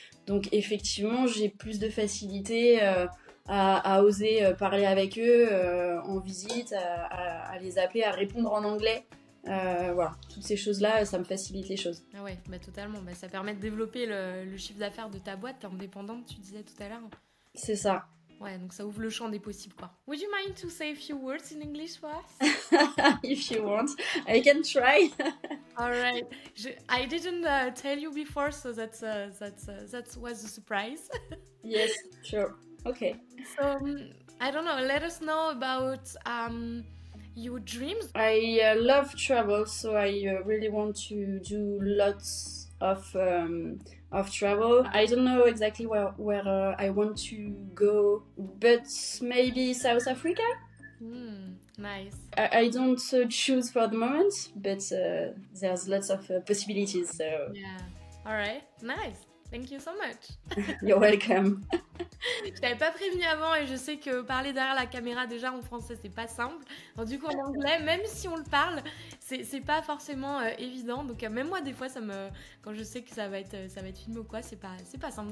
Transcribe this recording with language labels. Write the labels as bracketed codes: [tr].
[fr] Donc, effectivement, j'ai plus de facilité à oser parler avec eux en visite, à les appeler, à répondre en anglais, Voilà, toutes ces choses-là, ça me facilite les choses. Ah ouais, bah totalement. Bah ça permet de développer le chiffre d'affaires de ta boîte, t'es indépendante, tu disais tout à l'heure. C'est ça. Ouais, donc ça ouvre le champ des possibles, quoi. [en] Would you mind to say a few words in English for us? If you want, I can try. All right. I didn't tell you before, so that was a surprise. Yes, sure. Okay. So, I don't know, let us know about your dreams. I love travel, so I really want to do lots of travel. I don't know exactly where I want to go, but maybe South Africa? Nice. I don't choose for the moment, but there's lots of possibilities, so... Yeah, all right, nice. Thank you so much. You're welcome. [fr] Je t'avais pas prévenu avant et je sais que parler derrière la caméra déjà en français c'est pas simple. Alors, du coup en anglais, même si on le parle, c'est pas forcément évident. Donc même moi des fois ça me, quand je sais que ça va être filmé ou quoi, c'est pas simple.